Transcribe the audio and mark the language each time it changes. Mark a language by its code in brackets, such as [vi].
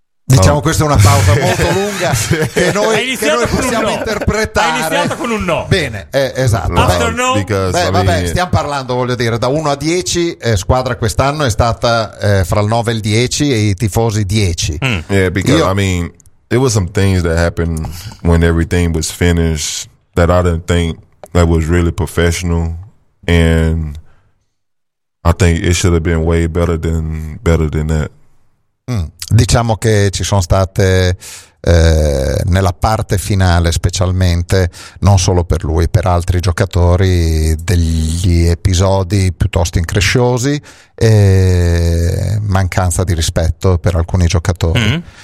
[it] Diciamo questa è una pausa molto lunga che noi, possiamo interpretare. Hai iniziato con un no. Bene, esatto. Stiamo parlando, voglio dire, da 1 a 10, squadra quest'anno è stata fra il 9 e il 10 e i tifosi 10. Mm. [en] Yeah, because I mean, there was some things that happened when everything was finished that I didn't think that was really professional and I think it should have been way better than that. [it] Diciamo che ci sono state nella parte finale specialmente, non solo per lui, per altri giocatori, degli episodi piuttosto incresciosi e mancanza di rispetto per alcuni giocatori.